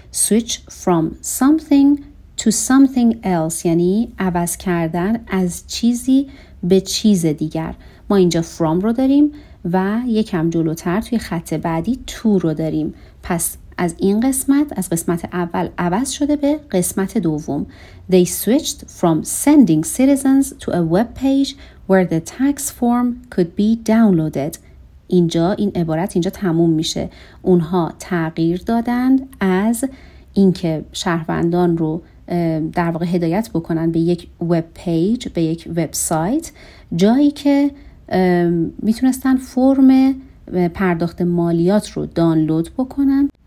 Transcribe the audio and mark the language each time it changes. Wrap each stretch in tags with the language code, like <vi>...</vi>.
<en>Switch from something to something else.</en> <fa>یعنی عوض کردن از چیزی به چیز دیگر. ما اینجا from رو داریم و یکم جلوتر توی خط بعدی to رو داریم. پس از این قسمت از قسمت اول عوض شده به قسمت دوم.</fa> <en>They switched from sending citizens to a web page where the tax form could be downloaded.</en> <fa>اینجا این عبارت اینجا تموم میشه. اونها تغییر دادند از اینکه شهروندان رو در واقع هدایت بکنن به یک وب پیج، به یک وبسایت، جایی که میتونستن فرم پرداخت مالیات رو دانلود بکنن.</fa>